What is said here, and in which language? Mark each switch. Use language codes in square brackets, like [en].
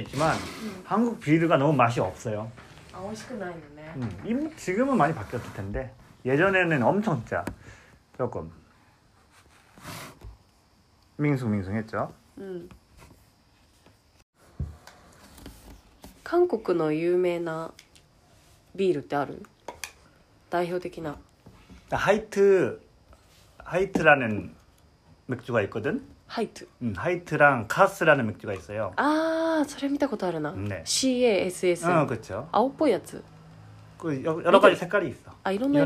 [ja] あれでしょ、パカって開けたらなんか泡がこう出てくるみたいなやつだよね。やっぱ韓国の人日本のビール好きだもんね。やっぱり美味しいって言うもんね。特に生ビールが美味しそう。韓国の日本ビールが美味しいのと一番韓国ビールが [ko] 너무맛이없어요。 맛있구나 있네. 지금은 많이 바뀌었을 텐데 예전에는 엄청 진짜 조금 밍숭밍숭했죠. 한국의 유명한 비일 때 알아? [ja] 代表的な。 [ko] ハイト、ハイト라는맥주가있거든。 [ja] ハイト。 [ko] うん、ハイト랑카스라는맥주가있어요。 [ja] ああ、それ見たことあるな。ね。 [en] C A S S。 [ko] うん、그렇 [ja] 죠。 青っぽいやつ。 [ko] 그여러가지색깔이있어。 [ja] あ、いろんな色